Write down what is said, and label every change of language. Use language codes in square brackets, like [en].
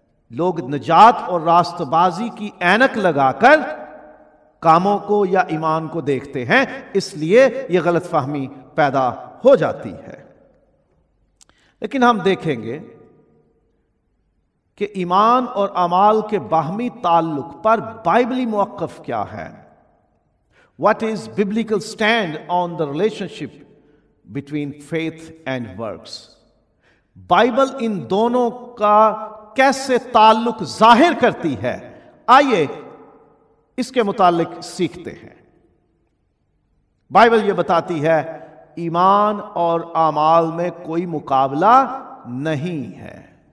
[ur] لوگ نجات اور راستبازی کی عینک لگا کر کاموں کو یا ایمان کو دیکھتے ہیں, اس لیے یہ غلط فہمی پیدا ہو جاتی ہے. لیکن ہم دیکھیں گے کہ ایمان اور اعمال کے باہمی تعلق پر بائبلی موقف کیا ہے. [en] What is biblical stand on the relationship between faith and works? [ur] Bible ان دونوں کا کیسے تعلق ظاہر کرتی ہے؟ آئیے اس کے متعلق سیکھتے ہیں. بائبل یہ بتاتی ہے ایمان اور اعمال میں کوئی مقابلہ نہیں ہے.